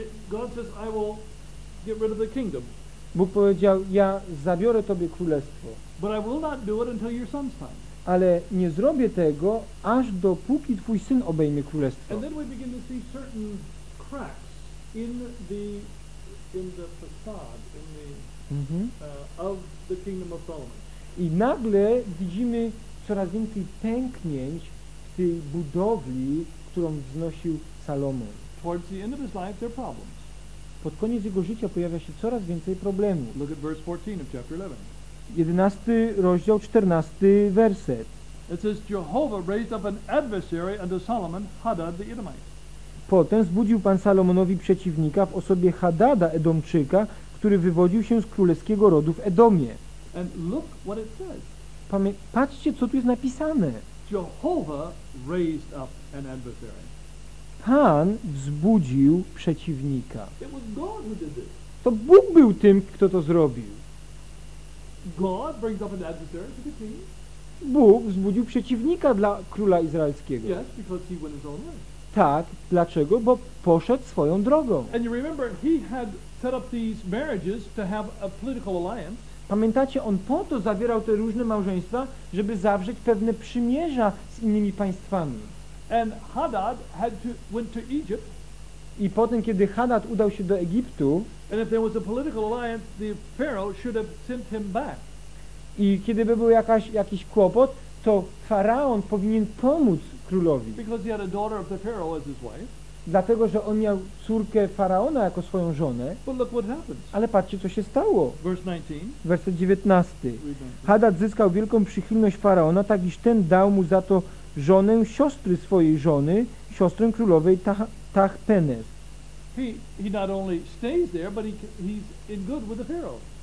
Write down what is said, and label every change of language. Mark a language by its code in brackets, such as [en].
[en] God says, I will get rid of the kingdom. [pl] Bóg powiedział, ja zabiorę tobie królestwo. [en] But I will not do it until your son's time. [pl] Ale nie zrobię tego, aż dopóki twój syn obejmie królestwo. [en] And then we begin to see certain cracks in the facade, in the of the kingdom of Solomon. [pl] I nagle widzimy coraz więcej pęknięć w tej budowli, którą wznosił Salomon. [en] Towards the end of his life there are problems. [pl] Pod koniec jego życia pojawia się coraz więcej problemów. [en] Look at verse 14 of chapter 11. [pl] 11 rozdział, 14 werset. [en] It says, Jehovah raised up an adversary unto Solomon, Hadad the Edomite. [pl] Potem zbudził Pan Salomonowi przeciwnika w osobie Hadada Edomczyka, który wywodził się z królewskiego rodu w Edomie. [en] And look what it says. [pl] Patrzcie, co tu jest napisane. [en] Jehovah raised up an adversary. [pl] Pan wzbudził przeciwnika. [en] It was God who did this. [pl] To Bóg był tym, kto to zrobił. [en] God brings up an adversary to the king. [pl] Bóg wzbudził przeciwnika dla króla izraelskiego. [en] Yes, because he went his own way. [pl] Tak, dlaczego? Bo poszedł swoją drogą. [en] And you remember, he had set up these marriages to have a political alliance. [pl] Pamiętacie, on po to zawierał te różne małżeństwa, żeby zawrzeć pewne przymierza z innymi państwami. [en] And Hadad had to, went to Egypt. [pl] I potem, kiedy Hadad udał się do Egiptu, [en] and if there was a political alliance, the Pharaoh should have sent him back. [pl] I kiedy by był jakiś kłopot, to faraon powinien pomóc królowi. [en] Because he had a daughter of the Pharaoh as his wife. [pl] Dlatego, że on miał córkę faraona jako swoją żonę. [en] But look what happens. [pl] Ale patrzcie, co się stało. [en] Verse 19. [pl] Werset 19. Hadad zyskał wielką przychylność faraona, tak iż ten dał mu za to żonę siostry swojej żony, siostrę królowej Tachpenes. [en] He not only stays there, but he's in good with the Pharaoh.